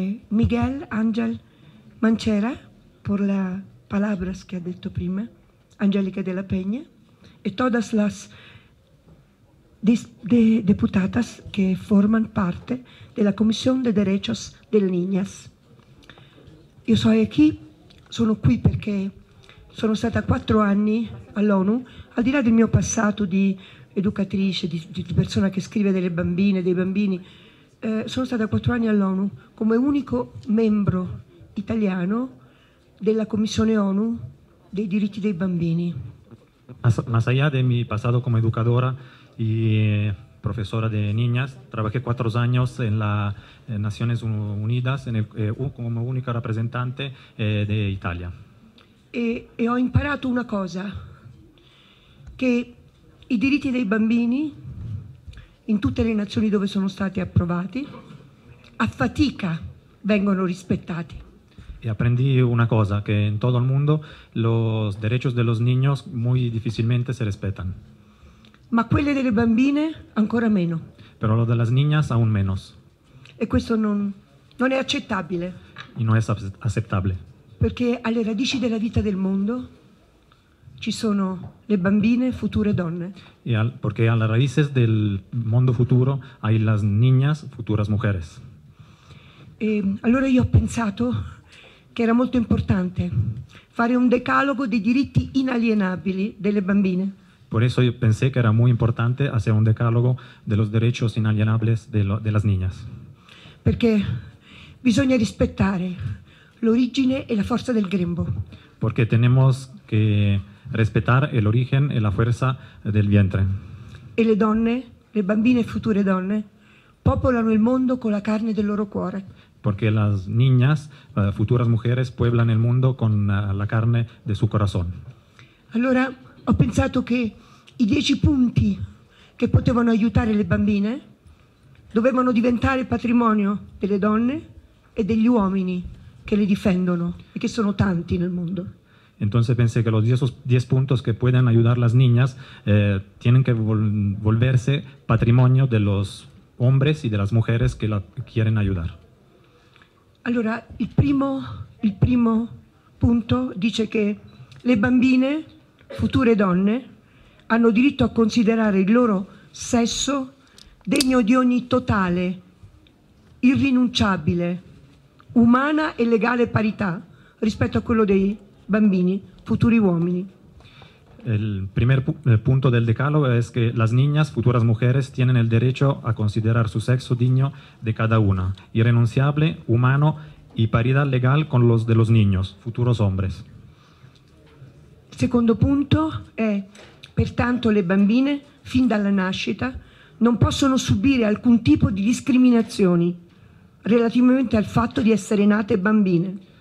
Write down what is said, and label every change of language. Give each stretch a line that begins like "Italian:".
Spanish: Miguel Ángel Mancera, por las palabras que ha dicho prima, Angélica de la Peña, y todas las diputadas que forman parte de la Comisión de Derechos de las Niñas. Yo soy aquí,
Italian: sono qui perché sono stata 4 anni all'ONU, al di là del mio passato di educatrice, di persona che scrive delle bambine, dei bambini, sono stata 4 anni all'ONU come unico membro italiano della Commissione ONU dei diritti dei bambini.
Spanish: Más allá de mi pasado como educadora y profesora de niñas, trabajé 4 años en las Naciones Unidas como única representante de Italia. Y he
Italian: imparato una cosa, que i diritti dei bambini in tutte le nazioni dove sono stati approvati a fatica vengono rispettati.
Spanish: Y aprendí una cosa, que en todo el mundo los derechos de los niños muy difícilmente se respetan.
Italian: Ma quelle delle bambine ancora meno.
Spanish: Pero lo de las niñas aún menos.
Italian: E questo non è accettabile.
Spanish: Y no es aceptable.
Italian: Perché alle radici della vita del mondo ci sono le bambine, future donne.
Spanish: Porque a las raíces del mundo futuro hay las niñas, futuras mujeres.
Italian: E allora io ho pensato
Spanish: que era muy importante hacer un decálogo de derechos inalienables de las bambine. Por eso yo pensé que era muy importante hacer un decálogo de los derechos inalienables de las niñas. Porque
Italian: bisogna
Spanish: respetar la origen y la fuerza del grembo. Porque tenemos que respetar el origen y la fuerza del vientre.
Italian: E le donne, le bambine future donne, popolano il mondo con la carne del loro cuore.
Spanish: Porque las niñas, futuras mujeres, pueblan el mundo con la carne de su corazón.
Italian: Allora ho pensato che i 10 punti che potevano aiutare le bambine dovevano diventare patrimonio delle donne e degli uomini che le difendono e che sono tanti nel mondo.
Spanish: Entonces pensé que los 10 puntos que pueden ayudar las niñas tienen que volverse patrimonio de los hombres y de las mujeres que la quieren ayudar.
Italian: Allora, il primo punto dice che le bambine, future donne, hanno diritto a considerare il loro sesso degno di ogni totale, irrinunciabile, umana e legale parità rispetto a quello dei bambini, futuri uomini.
Spanish: El primer punto del decálogo es que las niñas, futuras mujeres, tienen el derecho a considerar su sexo digno de cada una, irrenunciable, humano y paridad legal con los de los niños, futuros hombres. El segundo punto es,
Italian: pertanto, le bambine, fin dalla nascita, non possono subire alcun tipo di discriminazioni relativamente al fatto di essere nate bambine.